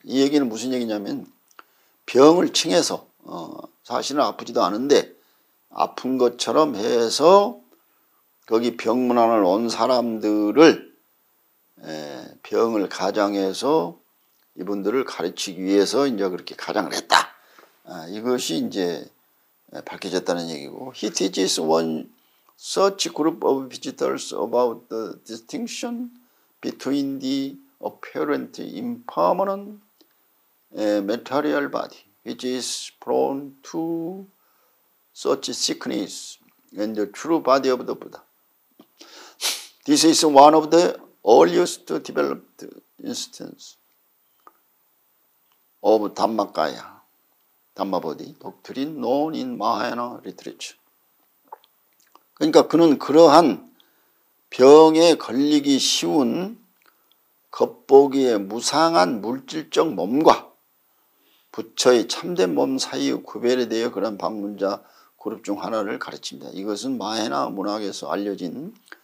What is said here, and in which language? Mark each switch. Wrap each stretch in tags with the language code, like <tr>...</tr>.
<ko>이 얘기는 무슨 얘기냐면 병을 칭해서 사실은 아프지도 않은데 아픈 것처럼 해서 거기 병문안을 온 사람들을 병을 가장해서 이분들을 가르치기 위해서 이제 그렇게 가장을 했다. 이것이 이제 밝혀졌다는 얘기고</ko> <en>He teaches one such group of visitors about the distinction between the apparent impermanent material body which is prone to such sickness and the true body of the Buddha. This is one of the earliest developed instances of Dhammakaya. Dhammabodhi, doctrine known in Mahayana literature.</en> <ko>그러니까 그는 그러한 병에 걸리기 쉬운 겉보기에 무상한 물질적 몸과 부처의 참된 몸 사이의 구별에 대해 그런 방문자 그룹 중 하나를 가르칩니다. 이것은 마헤나 문학에서 알려진</ko>